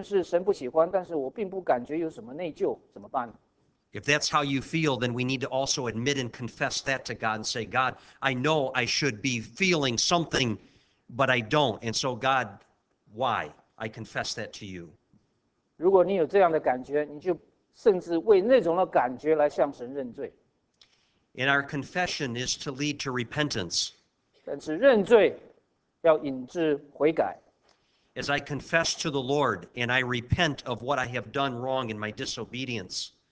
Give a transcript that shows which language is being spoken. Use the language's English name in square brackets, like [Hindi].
[Chinese] 但是如果你说我虽然知道做这件事神不喜欢，但是我并不感觉有什么内疚，怎么办？ [English] If that's how you feel, then we need to also admit and confess that to God and say, God, I know I should be feeling something, but I don't. And so, God, why? I confess that to you. [Chinese] 如果你有这样的感觉，你就甚至为那种的感觉来向神认罪。 [English] And our confession is to lead to repentance. [Chinese] 但是认罪要引致悔改。 [English] As I confess to the Lord and I repent of what I have done wrong in my disobedience.